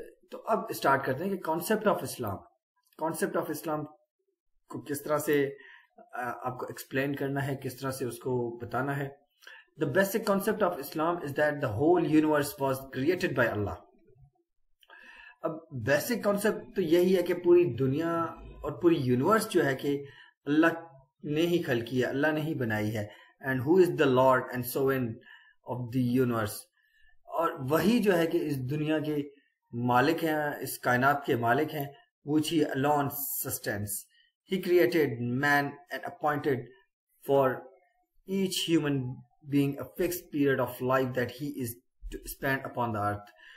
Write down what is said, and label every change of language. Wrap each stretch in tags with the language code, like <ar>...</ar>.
<ur>تو اب اسٹارٹ کرتے ہیں کہ concept of Islam, concept of اسلام کو کس طرح سے آپ کو ایکسپلین کرنا ہے, کس طرح سے اس کو بتانا ہے.</ur> <en>The basic concept of Islam is that the whole universe was created by Allah.</en> <ur>اب بیسک کانسیپٹ تو یہی ہے کہ پوری دنیا اور پوری یونیورس جو ہے کہ اللہ نے ہی خلقی ہے, اللہ نے ہی بنائی ہے.</ur> <en>And who is the lord and sovereign of the universe.</en> <ur>اور وہی جو ہے کہ اس دنیا کے مالک ہیں, اس کائنات کے مالک ہیں.</ur> <en>Which he alone sustains, he created man and appointed for each human being a fixed period of life that he is to spend upon the earth.</en>